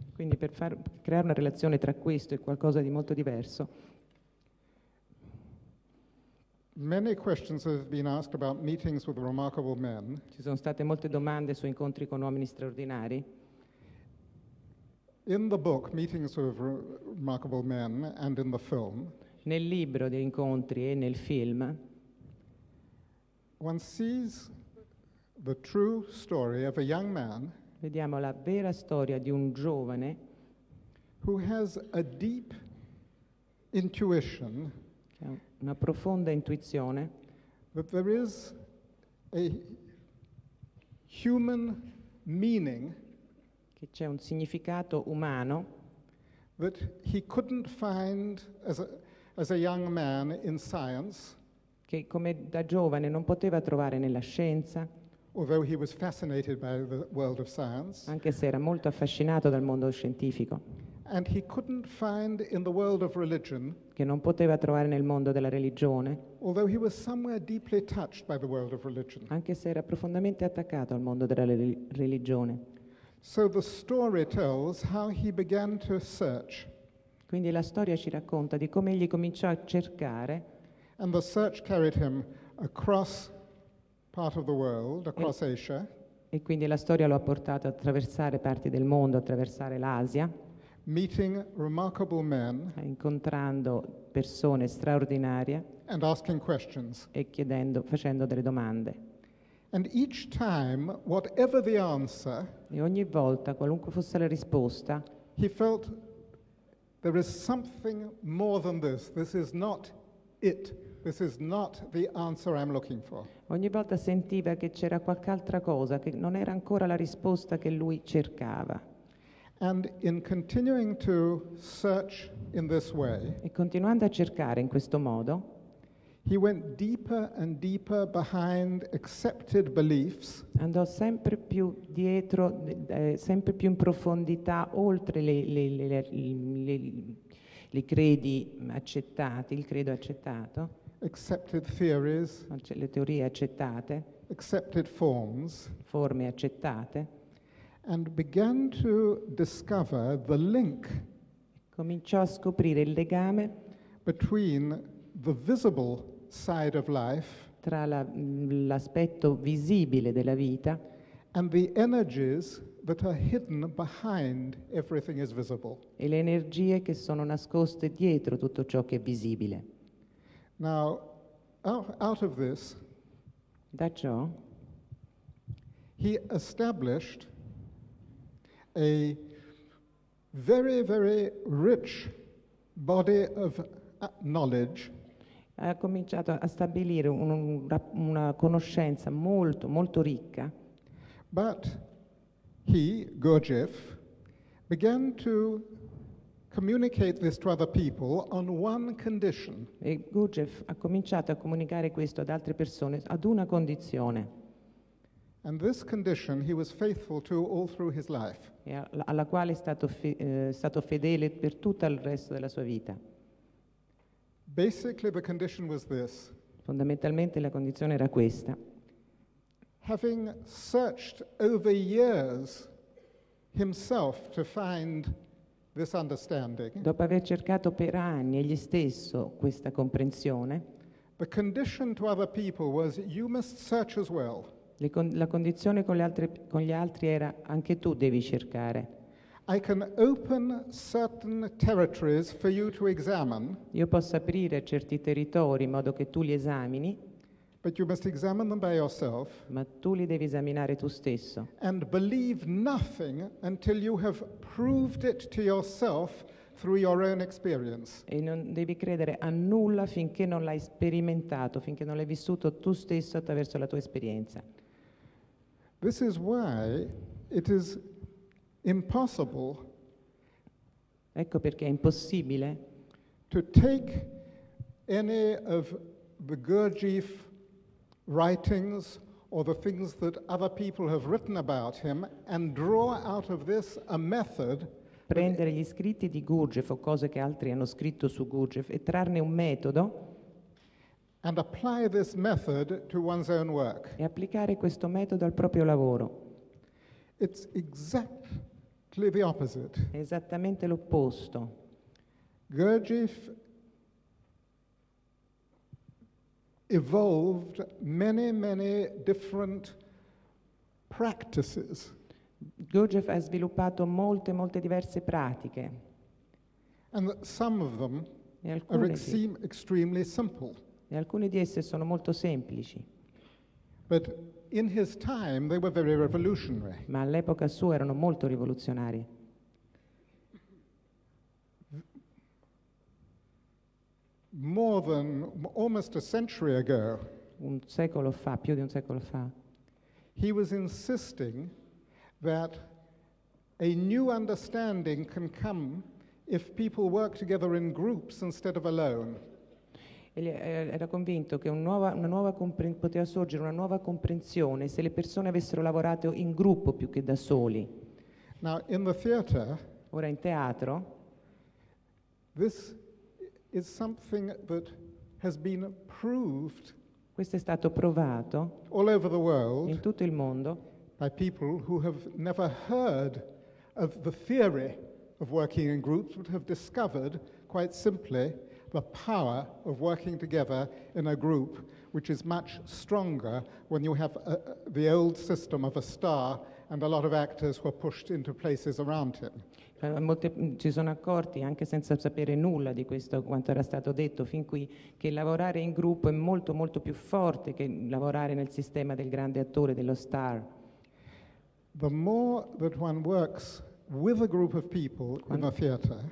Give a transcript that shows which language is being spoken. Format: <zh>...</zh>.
<it>Quindi per creare una relazione tra questo e qualcosa di molto diverso.</it> <en>Many questions have been asked about meetings with remarkable men.</en> <it>Ci sono state molte domande su incontri con uomini straordinari.</it> <en>In the book Meetings with Remarkable Men and in the film.</en> <it>Nel libro di incontri e nel film.</it> <en>One sees the true story of a young man.</en> <it>Vediamo la vera storia di un giovane.</it> <en>Who has a deep intuition.</en> <it>Una profonda intuizione.</it> <en>That there is a human meaning.</en> <it>Che c'è un significato umano.</it> <en>That he couldn't find as a young man in science.</en> <it>Che come da giovane non poteva trovare nella scienza.</it> <en>Although he was fascinated by the world of science.</en> <it>Anche se era molto affascinato dal mondo scientifico.</it> <en>And he couldn't find in the world of religion.</en> <it>Che non poteva trovare nel mondo della religione.</it> <en>Although he was somewhere deeply touched by the world of religion.</en> <it>Anche se era profondamente attaccato al mondo della religione.</it> <en>So the story tells how he began to search.</en> <it>Quindi la storia ci racconta di come egli cominciò a cercare.</it> <en>And the search carried him across part of the world, across Asia.</en> <it>E quindi la storia lo ha portato a attraversare parti del mondo, attraversare l'Asia.</it> <en>Meeting remarkable men.</en> <it>Incontrando persone straordinarie.</it> <en>And asking questions.</en> <it>E chiedendo, facendo delle domande.</it> <en>And each time, whatever the answer.</en> <it>E ogni volta, qualunque fosse la risposta.</it> <en>He felt there is something more than this. This is not it. This is not the answer I'm looking for.</en> <it>Ogni volta sentiva che c'era qualche altra cosa, che non era ancora la risposta che lui cercava.</it> <en>And in continuing to search in this way.</en> <it>E continuando a cercare in questo modo.</it> <en>He went deeper and deeper behind accepted beliefs.</en> <it>Andò sempre più dietro, sempre più in profondità, oltre le credi accettate, il credo accettato.</it> <en>Accepted theories.</en> <it>Le teorie accettate.</it> <en>Accepted forms.</en> <it>Forme accettate.</it> <en>And began to discover the link.</en> <it>Cominciò a scoprire il legame.</it> <en>Between the visible side of life,</en> <it>tra l'aspetto visibile della vita,</it> <en>and the energies that are hidden behind everything is visible,</en> <it>e le energie che sono nascoste dietro tutto ciò che è visibile.</it> <en>Now, out of this,</en> <it>da ciò,</it> <en>he established a very, very rich body of knowledge.</en> <it>Ha cominciato a stabilire una conoscenza molto, molto ricca.</it> <en>But he, Gurdjieff, began to communicate this to other people on one condition.</en> <it>E Gurdjieff ha cominciato a comunicare questo ad altre persone ad una condizione.</it> <en>And this condition he was faithful to all through his life.</en> <it>E alla quale è stato stato fedele per tutto il resto della sua vita.</it> <en>Basically, the condition was this.</en> <it>Fondamentalmente la condizione era questa.</it> <en>Having searched over years himself to find this understanding.</en> <it>Dopo aver cercato per anni egli stesso questa comprensione.</it> <en>The condition to other people was you must search as well.</en> <it>La condizione con gli altri era anche tu devi cercare.</it> <en>I can open certain territories for you to examine.</en> <it>Io posso aprire certi territori in modo che tu li esamini.</it> <en>But you must examine them by yourself.</en> <it>Ma tu li devi esaminare tu stesso.</it> <en>And believe nothing until you have proved it to yourself through your own experience.</en> <it>E non devi credere a nulla finché non l'hai sperimentato, finché non l'hai vissuto tu stesso attraverso la tua esperienza.</it> <en>This is why it is impossible.</en> <it>Ecco perché è impossibile</it> <en>to take any of the Gurdjieff writings or the things that other people have written about him and draw out of this a method.</en> <it>Prendere gli scritti di Gurdjieff o cose che altri hanno scritto su Gurdjieff e trarne un metodo</it> <en>and apply this method to one's own work.</en> <it>E applicare questo metodo al proprio lavoro.</it> <en>It's exactly the opposite.</en> <it>È esattamente l'opposto.</it> <en>Gurdjieff evolved many, many different practices.</en> <it>Gurdjieff ha sviluppato molte, molte diverse pratiche.</it> <en>And some of them are extremely simple.</en> <it>E alcune di esse sono molto semplici.</it> <en>But in his time they were very revolutionary.</en> <it>Ma all'epoca sua erano molto rivoluzionari.</it> <en>More than almost a century ago.</en> <it>Un secolo fa, più di un secolo fa.</it> <en>He was insisting that a new understanding can come if people work together in groups instead of alone.</en> <it>Era convinto che poteva sorgere una nuova comprensione se le persone avessero lavorato in gruppo più che da soli.</it> <en>Now in the theater,</en> <it>ora in teatro,</it> <en>this is something that has been proved.</en> <it>Questo è stato provato</it> <en>all over the world</en> <it>in tutto il mondo</it> <en>by people who have never heard of the theory of working in groups but have discovered quite simply the power of working together in a group, which is much stronger when you have the old system of a star and a lot of actors were pushed into places around him.</en> <it>Molti si sono accorti, anche senza sapere nulla di questo quanto era stato detto fin qui, che lavorare in gruppo è molto molto più forte che lavorare nel sistema del grande attore, dello star.</it> <en>The more that one works with a group of people in a theater,</en>